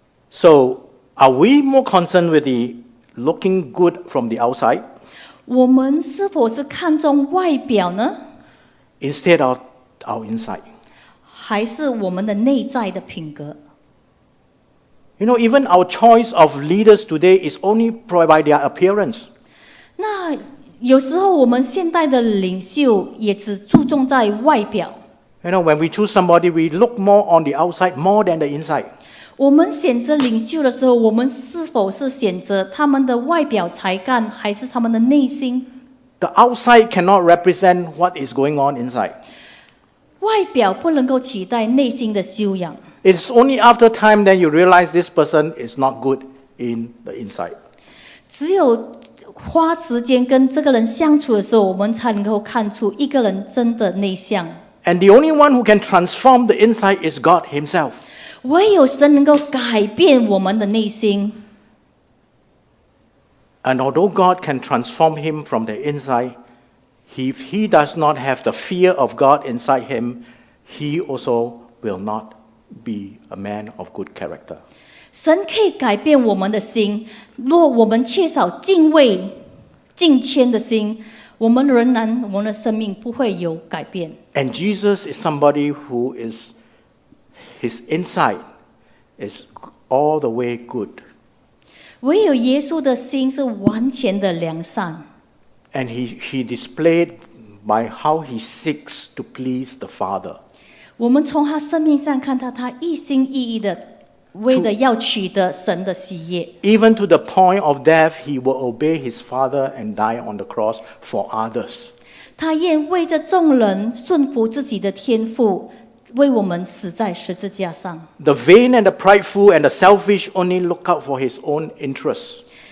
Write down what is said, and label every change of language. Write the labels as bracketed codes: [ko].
[en] So, are we more concerned with the looking good from the outside? [zh] 我们是否是看重外表呢？ [en] Instead of our inside. [zh] 还是我们的内在的品格？ [en] You know, even our choice of leaders today is only by their appearance. [zh] 那有时候我们现代的领袖也只注重在外表。 [en] You know, when we choose somebody, we look more on the outside, more than the inside. [zh] 我们选择领袖的时候，我们是否是选择他们的外表才干，还是他们的内心？ [en] The outside cannot represent what is going on inside. [zh] 外表不能够取代内心的修养。 [en] It's only after time that you realize this person is not good in the inside. [zh] 只有花时间跟这个人相处的时候，我们才能够看出一个人真的内向。 [en] And the only one who can transform the inside is God Himself. [zh] 唯有神能够改变我们的内心。 [en] And although God can transform him from the inside, if he does not have the fear of God inside him, he also will not be a man of good character. [zh] 神可以改变我们的心，若我们缺少敬畏、敬虔的心，我们仍然我们的生命不会有改变。 [en] And Jesus is somebody who is his inside is all the way good. [zh] 唯有耶稣的心是完全的良善。 [en] And he displayed by how he seeks to please the Father. [zh] 我们从他生命上看到他一心一意的为了要取得神的喜悦。 [en] Even to the point of death, he will obey his Father and die on the cross for others. [zh] 他愿为着众人顺服自己的天父，为我们死在十字架上。 [en] The vain and the prideful and the selfish only look out for his own interests.